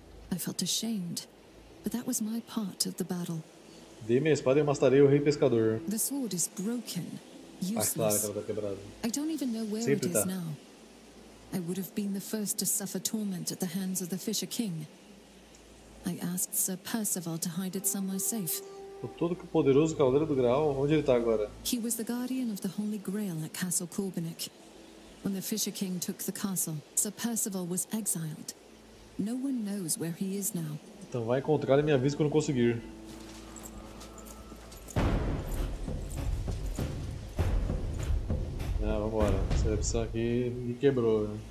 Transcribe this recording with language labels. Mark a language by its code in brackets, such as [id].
[en] I felt ashamed, but that was my part of the battle. [pt] Dei minha espada e mastarei o rei pescador. [en] The sword is broken, useless. [pt] Ah, claro que ela tá quebrada. [en] I don't even know where [pt] Sempre [en] it is [pt] tá. [en] Now. I would have been the first to suffer torment at the hands of the Fisher King. I asked Sir Percival to hide it somewhere safe. [pt] O todo poderoso Cavaleiro do Graal, onde ele está agora? [en] He was the guardian of the Holy Grail at Castle Corbinick. When the Fisher King took the castle, Sir Percival was exiled. No one knows where he is now. [pt] Então vai encontrar e me avisa quando conseguir. Ah, vambora. Essa opção aqui me quebrou.